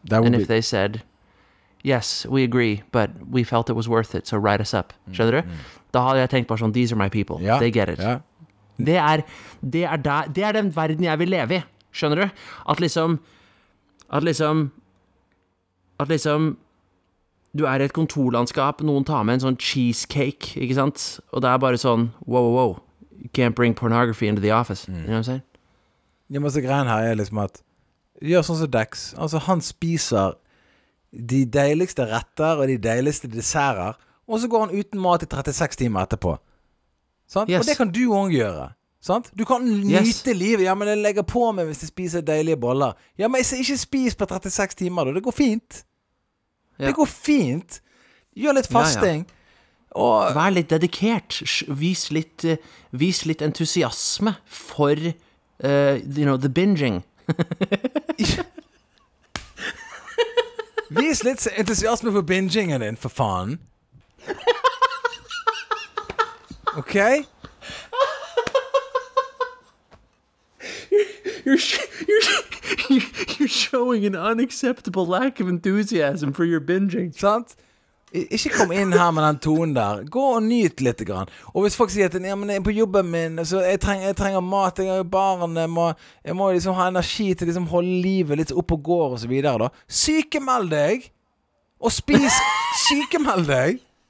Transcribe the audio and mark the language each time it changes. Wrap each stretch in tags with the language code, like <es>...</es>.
<en>And if they said, yes, we agree, but we felt it was worth it, so write us up.</en> <no>Skjønner du? Da hadde jeg tenkt bare sånn,</no> <en>these are my people. Yeah. They get it. Yeah.</en> <no>Det er den verden jeg vil leve i. Skjønner du? At liksom, du er i et kontorlandskap, noen tar med en sånn cheesecake, ikke sant? Og det er bare sånn,</no> <en>whoa, you can't bring pornography into the office. Mm. You know what I'm saying?</en> <no>Ja, men så greien her er liksom at, gjør sånn som Dex. Altså han spiser de deiligste retter og de deiligste desserter, og så går han uten mat i 36 timer etterpå, sant? Yes. Og det kan du også gjøre, sant? Du kan nyte, yes, livet. Ja, men jeg legger på meg hvis jeg spiser deilige boller. Ja, men ikke spis på 36 timer da. Det går fint, ja. Det går fint. Gjør litt fasting, ja, ja. Og vær litt dedikert. Vis litt entusiasme</no> <en>for the binging.</en> <no>Vis litt entusiasme for bingingen din, for faen. Ok?</no> <en>You're showing an unacceptable lack of enthusiasm for your binging.</en> <no>Sant? Ikke kom inn her med den tonen der. Gå og nyt litt grann. Og hvis folk sier at ja, men jeg er på jobben min, så jeg trenger mat, jeg har jo barn, jeg må liksom ha energi til liksom holde livet litt opp og går og så videre da. Sykemeld deg. Og spis. Sykemeld deg.</no>